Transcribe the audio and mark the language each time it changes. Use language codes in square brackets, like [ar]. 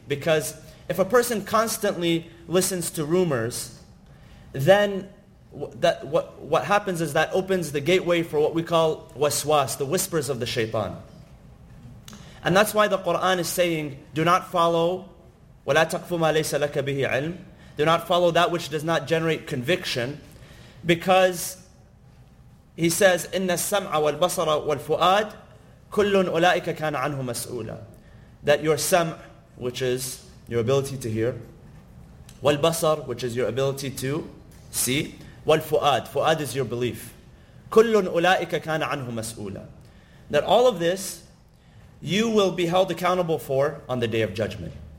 [en] Because if a person constantly listens to rumors, then what happens is that opens the gateway for what we call waswas, the whispers of the shaitan. And that's why the Quran is saying, do not follow, [ar] وَلَا تَقْفُ مَا لَيْسَ لَكَ بِهِ عِلْمٍ. [en] Do not follow that which does not generate conviction. Because he says, [ar] إِنَّ السَّمْعَ وَالْبَصَرَ وَالْفُؤَادِ كُلٌّ أُولَٰئِكَ كَانَ عَنْهُ مَسْؤُولًا. [en] That your sam', which is your ability to hear, وَالْبَصَرَ, which is your ability to see, وَالْفُؤَادِ, fu'ad is your belief, [ar] كُلٌّ أُولَٰئِكَ كَانَ عَنْهُ مَسْؤُولًا. [en] That all of this, you will be held accountable for on the Day of Judgment.